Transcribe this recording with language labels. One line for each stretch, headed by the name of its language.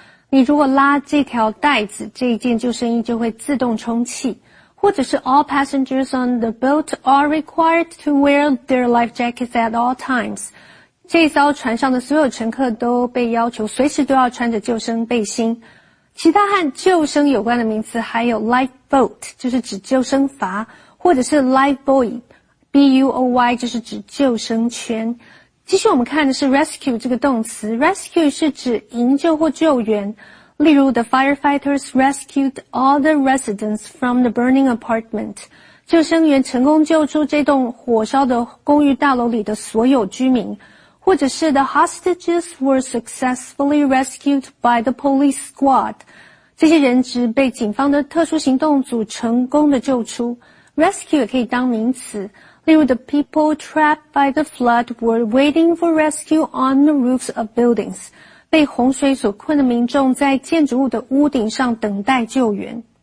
Chinese: 你如果拉这条带子，这一件救生衣就会自动充气。或者是
English: all passengers on the boat are required to wear their life jackets at all times.
Chinese: 这艘船上的所有乘客都被要求随时都要穿着救生背心。其他和救生有关的名词还有 life boat, 就是指救生筏,或者是 life buoy, B-U-O-Y, 就是指救生圈。继续我们看的是 rescue 这个动词。Rescue 是指营救或救援。例如
English: the firefighters rescued all the residents from the burning apartment.
Chinese: 救生员成功救出这栋火烧的公寓大楼里的所有居民。或者是
English: the hostages were successfully rescued by the police squad.
Chinese: 这些人质被警方的特殊行动组成功的救出。 Rescue 也可以当名词。例如
English: the people trapped by the flood were waiting for rescue on the roofs of buildings.
Chinese: 被洪水所困的民众在建筑物的屋顶上等待救援。